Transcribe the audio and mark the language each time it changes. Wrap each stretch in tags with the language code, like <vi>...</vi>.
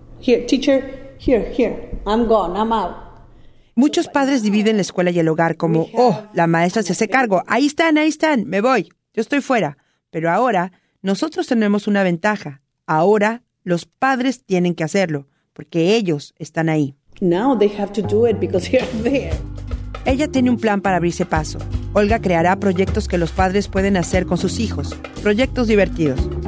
<en>Here, teacher, here, here. I'm gone, I'm out.</en> <es>Muchos padres dividen la escuela y el hogar como, oh, la maestra se hace cargo. Ahí están, me voy. Yo estoy fuera. Pero ahora, nosotros tenemos una ventaja. Ahora, los padres tienen que hacerlo, porque ellos están ahí.</es> <en>Now they have to do it because they're there.</en> <es>Ella tiene un plan para abrirse paso. Olga creará proyectos que los padres pueden hacer con sus hijos. Proyectos divertidos.</es>